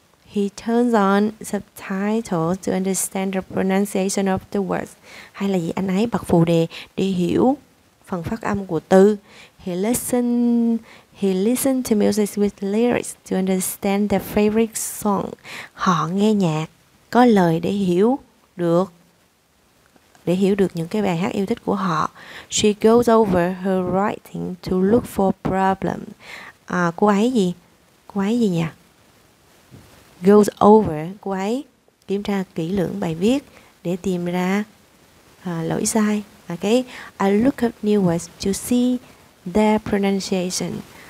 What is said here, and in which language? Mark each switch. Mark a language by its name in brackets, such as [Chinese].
[English] He turns on subtitles to understand the pronunciation of the words. [Vietnamese] Hay là gì, anh ấy bật phụ đề để hiểu phần phát âm của từ. [English] He listened to music with lyrics to understand their favorite song. [Vietnamese] Họ nghe nhạc có lời để hiểu được những cái bài hát yêu thích của họ. [English] She goes over her writing to look for problems. [Vietnamese] Cô ấy gì nhỉ? Goes over, cô ấy kiểm tra kỹ lưỡng bài viết để tìm ra lỗi sai. [English] Okay. I look up new words to see their pronunciation.